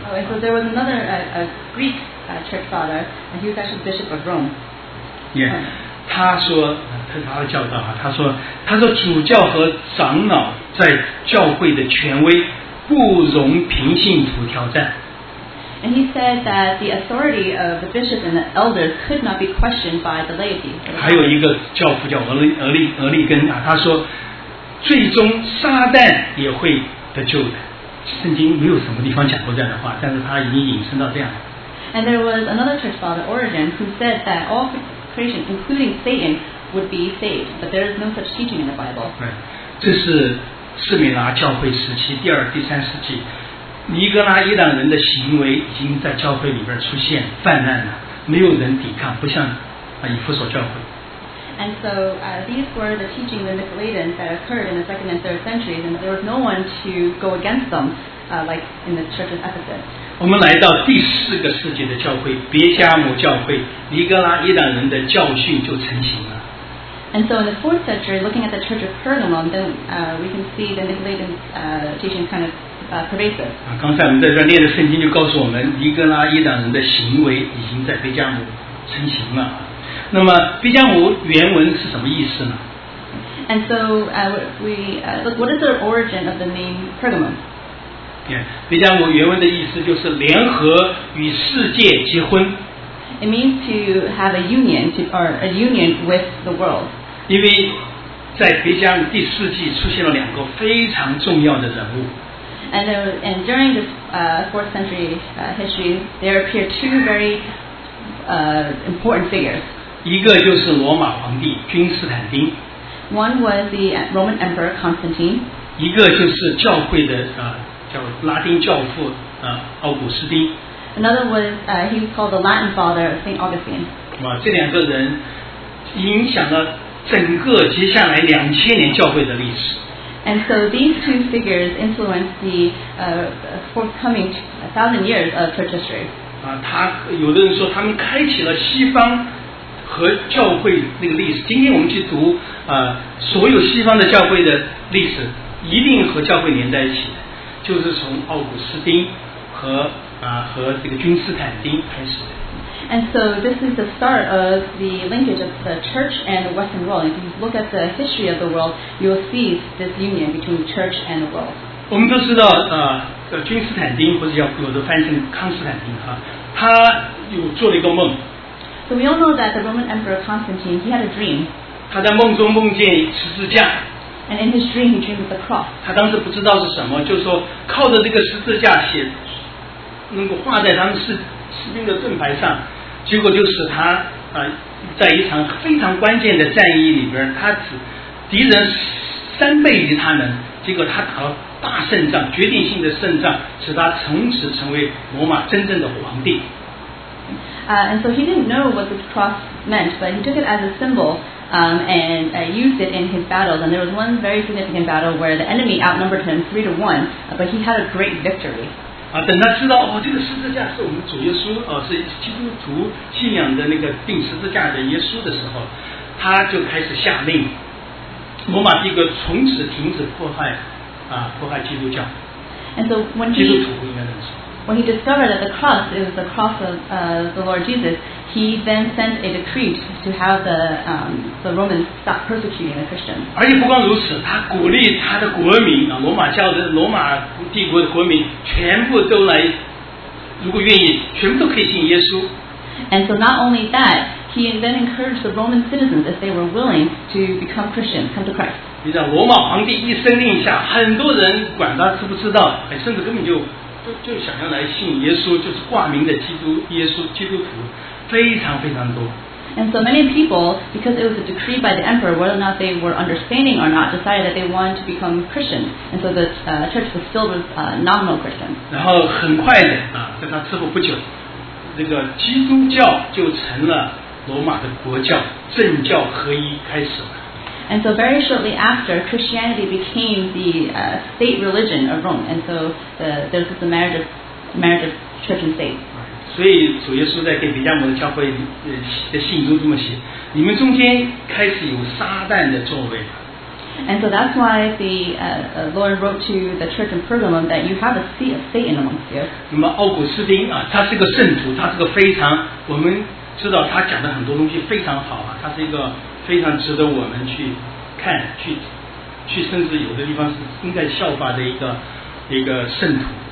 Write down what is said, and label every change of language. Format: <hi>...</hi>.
<en>So there was another a Greek church father, and he was actually bishop of Rome.</en> <zh>Yeah, 他说，他是他的教导啊，他说主教和长老在教会的权威不容平信徒挑战。</zh> <en>And he said that the authority of the bishop and the elders could not be questioned by the laity.</en> <zh>还有一个教父叫俄利根啊，他说，最终撒旦也会得救的。圣经没有什么地方讲过这样的话，但是他已经引申到这样。</zh> <en>And there was another church father, Origen, who said that all creation, including Satan, would be saved, but there is no such teaching in the Bible.</en> <zh>这是士米拿教会时期第二、第三世纪。尼格拉伊朗人的行为已经在教会里边出现泛滥了，没有人抵抗，不像以弗所教会。</zh> <en>And so these were the teaching of the Nicolaitans that occurred in the second and third centuries, and there was no one to go against them, like in the church of Ephesus.</en> <zh>我们来到第四个世纪的教会，别加摩教会，尼格拉伊朗人的教训就成型了。</zh> <en>And so in the 4th century, looking at the Church of Pergamum, then we can see the Nicolaitan teaching kind of pervasive.</en> <zh>刚才我们在这念的圣经就告诉我们，尼格拉伊朗人的行为已经在别加摩成型了。那么别加摩原文是什么意思呢？</zh> <en>And so what is the origin of the name Pergamum?</en> <zh>Yeah, 别加摩原文的意思就是联合与世界结婚。</zh> <en>It means to have a union, or a union with the world.</en> <zh>因为在别加摩第四纪出现了两个非常重要的人物。</zh> <en>And during this fourth century history, there appear two very important figures.</en> <zh>一个就是罗马皇帝君士坦丁。</zh> <en>One was the Roman Emperor Constantine.</en> <zh>一个就是教会的叫拉丁教父奥古斯丁。</zh> <en>Another was he was called the Latin Father of Saint Augustine.</en> <zh>哇，这两个人影响了整个接下来两千年教会的历史。</zh> <en>And so these two figures influenced the forthcoming 1,000 years of church history.</en> <zh>他有的人说他们开启了西方和教会那个历史。今天我们去读所有西方的教会的历史，一定和教会连在一起，就是从奥古斯丁和。和这个君士坦丁开始的。</zh> <en>And so this is the start of the linkage of the church and the Western world. If you look at the history of the world, you will see this union between church and the world.</en> <zh>我们都知道，君士坦丁，或者叫有的翻译成康斯坦丁，他有做了一个梦。</zh> <en>So we all know that the Roman Emperor Constantine, he had a dream.</en> <zh>他在梦中梦见十字架。</zh> <en>And in his dream, he dreamed of the cross.</en> <zh>他当时不知道是什么，就是说靠着这个十字架写，能够画在他们士兵的盾牌上，结果就使他在一场非常关键的战役里边，他只敌人三倍于他们，结果他打了大胜仗，决定性的胜仗，使他从此成为罗马真正的皇帝。</zh> <en>And so he didn't know what the cross meant, but he took it as a symbol, used it in his battles. And there was one very significant battle where the enemy outnumbered him 3-1, but he had a great victory.</en> <zh>等他知道哦，这个十字架是我们主耶稣哦，是基督徒信仰的那个钉十字架的耶稣的时候，他就开始下令，罗马帝国从此停止迫害基督教。</zh> <en>And so when</en> <zh>基督徒应该认识。</zh> <en>When he discovered that the cross is the cross of the Lord Jesus, he then sent a decree to have the Romans stop persecuting the Christians.</en> <zh>而且不光如此，他鼓励他的国民啊，罗马教的罗马帝国的国民全部都来，如果愿意，全部都可以信耶稣。</zh> <en>And so not only that, he then encouraged the Roman citizens if they were willing to become Christians, come to Christ.</en> <zh>你知道罗马皇帝一声令下，很多人管他知不知道，甚至根本就想要来信耶稣，就是挂名的基督徒非常非常多。</zh> <en>And so many people, because it was a decree by the emperor, whether or not they were understanding or not, decided that they wanted to become Christian. And so the church was filled with nominal Christians.</en> <zh>然后很快的在他之后不久，这个基督教就成了罗马的国教，政教合一开始了。</zh> <en>And so very shortly after, Christianity became the state religion of Rome. And so there's the marriage of church and state.</en> <zh>所以主耶稣在给比加摩的教会的信中这么写，你们中间开始有撒旦的作为。</zh> <en>And so that's why the Lord wrote to the church in Pergamum that you have a seat of Satan amongst you.</en> <zh>那么奥古斯丁啊，他是个圣徒，他是个非常，我们知道他讲的很多东西非常好啊，他是一个非常值得我们去看，去甚至有的地方是应该效法的一个圣徒。</zh>